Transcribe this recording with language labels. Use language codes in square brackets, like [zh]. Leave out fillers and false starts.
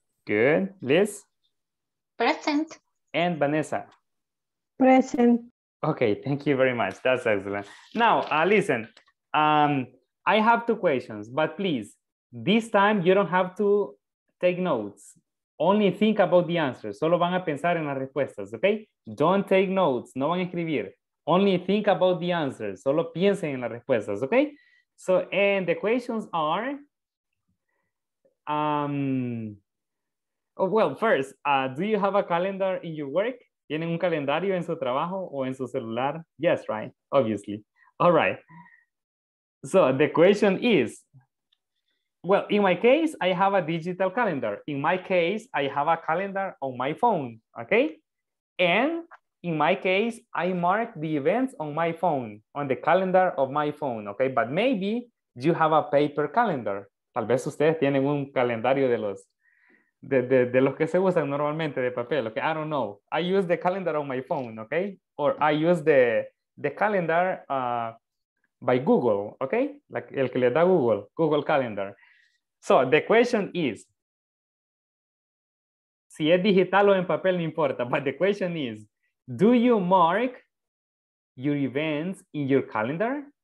[en] Good. Liz? Present. And Vanessa? Present. Okay, thank you very much. That's excellent. Now, listen, I have two questions, but please, this time you don't have to take notes. Only think about the answers. [es] Solo van a pensar en las respuestas, okay? [en] Don't take notes. [es] No van a escribir. [en] Only think about the answers. [es] Solo piensen en las respuestas, okay? [en] So, and the questions are, do you have a calendar in your work? [es] ¿Tienen un calendario en su trabajo o en su celular? [en] Yes, right, obviously. All right. So the question is, well, in my case, I have a digital calendar. In my case, I have a calendar on my phone, okay? And in my case, I mark the events on my phone, on the calendar of my phone, okay? But maybe you have a paper calendar. [es] Tal vez ustedes tienen un calendario de los de los que se usan normalmente de papel. [en] Okay, I don't know. I use the calendar on my phone, okay? Or I use the calendar by Google, okay? Like [es] el que le da Google, [en] Google Calendar. So the question is, [es] si es digital o en papel, no importa, [en] but the question is, do you mark your events in your calendar?